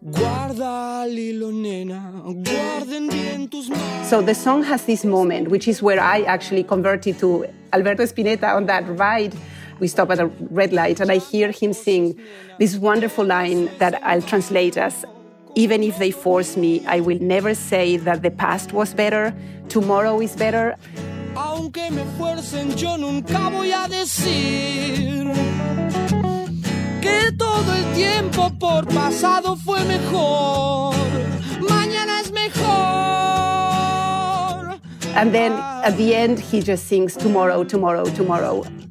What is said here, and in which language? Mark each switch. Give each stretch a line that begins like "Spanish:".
English: So the song has this moment, which is where I actually converted to Alberto Spinetta on that ride. We stop at a red light and I hear him sing this wonderful line that I'll translate as, even if they force me, I will never say that the past was better, tomorrow is better.
Spanish: Aunque me fuercen, yo nunca voy a decir que todo el tiempo por pasado fue mejor. Mañana es mejor.
English: And then at the end, he just sings tomorrow, tomorrow, tomorrow.